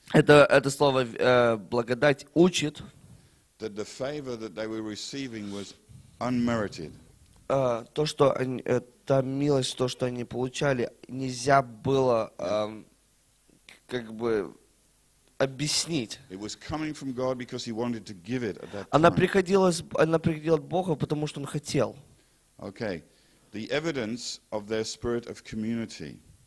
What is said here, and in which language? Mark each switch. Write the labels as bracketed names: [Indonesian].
[Russian] Это слово благодать учит. [English] That the favor that they were receiving was unmerited. [Russian] То, что они, та милость, то, что они получали, нельзя было как бы объяснить. [English] It was coming from God because he wanted to give it at that time. [Russian] Она приходила от Бога, потому что он хотел. Okay. [English] The evidence of their spirit of community.